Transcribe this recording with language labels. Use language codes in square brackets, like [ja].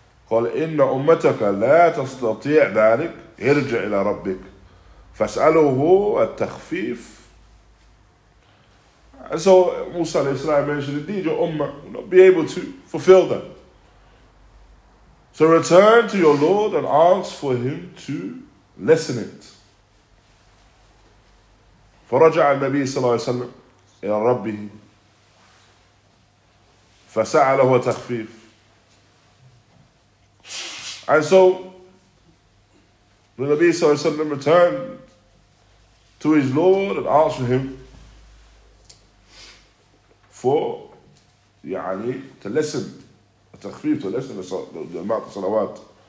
[ar] قال إن أمتك لا تستطيع ذلك ارجع إلى ربك فاسأله التخفيف. [en] And so Musa alayhi salam mentioned, indeed your ummah will not be able to fulfill that. So return to your Lord and ask for him to lessen it. [ar] فرجع النبي صلى الله عليه وسلم إلى ربه فسأله التخفيف. [en] And so, the Nabi Sallallahu Alaihi Wasallam returned to his Lord and asked for him for, يعني, to lessen, التخفيف, to lessen the amount of salawat.